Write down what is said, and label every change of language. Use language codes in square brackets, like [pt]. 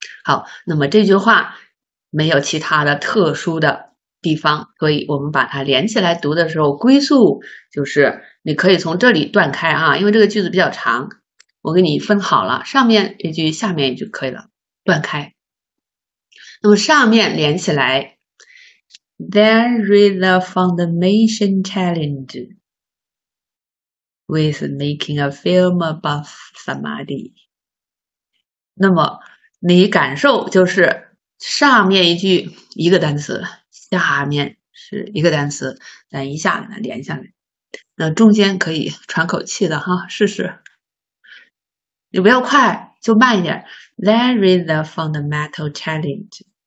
[zh] 好，那么这句话没有其他的特殊的地方，所以我们把它连起来读的时候，归宿就是你可以从这里断开啊，因为这个句子比较长，我给你分好了，上面一句，下面一句可以了，断开。那么上面连起来， [en] there is a foundation challenge with making a film about somebody。 [zh] 那么你感受就是上面一句一个单词，下面是一个单词，咱一下给它连下来。那中间可以喘口气的哈，试试。你不要快，就慢一点。 [en] There is a fundamental challenge。